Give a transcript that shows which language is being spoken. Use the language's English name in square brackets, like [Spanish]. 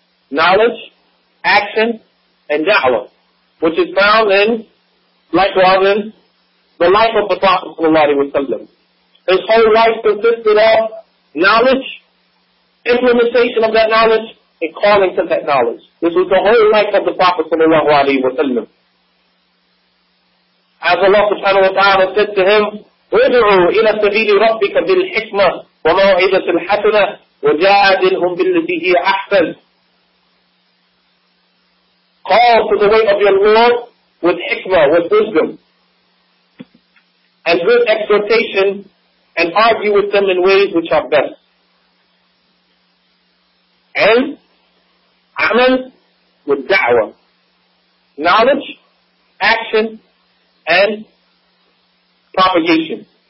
[English] Knowledge, action, and da'wah. Which is found in, likewise in, the life of the Prophet sallallahu alayhi wa sallam. His whole life consisted of knowledge, implementation of that knowledge, and calling to that knowledge. This was the whole life of the Prophet sallallahu alayhi wa sallam. As Allah subhanahu wa ta'ala said to him, [Arabic] ادعوا إلى سبيل ربك بالحكمة وموعظة الحسنة وجادلهم بالتي هي أحسن. [English] Call to the way of your Lord with hikmah, with wisdom, and good exhortation, and argue with them in ways which are best. And amal with da'wah, knowledge, action, and propagation.